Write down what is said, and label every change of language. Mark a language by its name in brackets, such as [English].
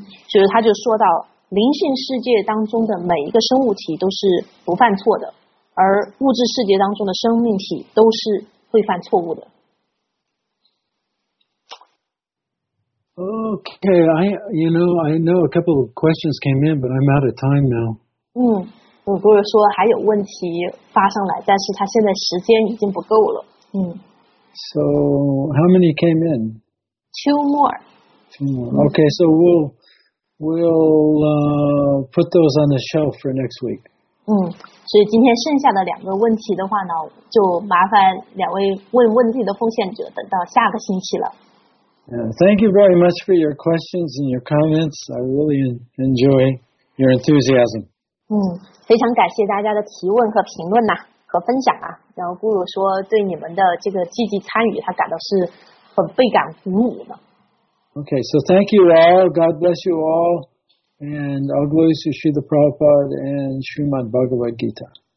[Chinese] 所以他就说到灵性世界当中的每一个生物体都是不犯错的。而物质世界当中的生命体都是会犯错误的。 [English] Okay, I know a couple of questions came in, but I'm out of time now. [Chinese] 我不是说还有问题发上来，但是他现在时间已经不够了。 [English] So how many came in? Two more. Okay, so we'll put those on the shelf for next week. [Chinese] 所以今天剩下的两个问题的话呢，就麻烦两位问问题的奉献者等到下个星期了。 [English] Thank you very much for your questions and your comments. I really enjoy your enthusiasm. [Chinese] 非常感谢大家的提问和评论呐，和分享啊。然后咕噜说对你们的这个积极参与，他感到是很倍感鼓舞的。 [English] Okay, so thank you all. God bless you all. And all glories to Srila Prabhupada and Srimad Bhagavad Gita.